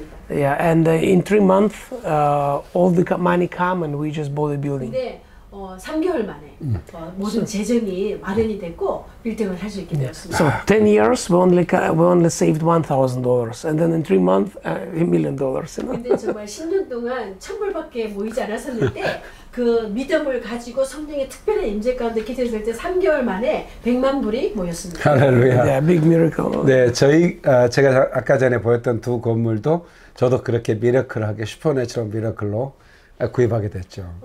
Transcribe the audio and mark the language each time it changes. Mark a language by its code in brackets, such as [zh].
[en] Yeah, and in 3 months, all the money came and we just bought the building. [ko] 3개월 만에 모든 재정이 마련이 됐고 빌딩을 할 수 있게 되었습니다. [en] So 10 years we only saved $1,000 and then in 3 months $1 million. [ko] 근데 정말 10년 동안 천불밖에 모이지 않았었는데 그 믿음을 가지고 성령의 특별한 임재 가운데 기도했을 때 3개월 만에 100만 불이 모였습니다. 할렐루야. [en] Yeah, big miracle. [ko] 네, 저희 제가 아까 전에 보였던 두 건물도 저도 그렇게 미라클하게 슈퍼내추럴 미라클로 구입하게 됐죠.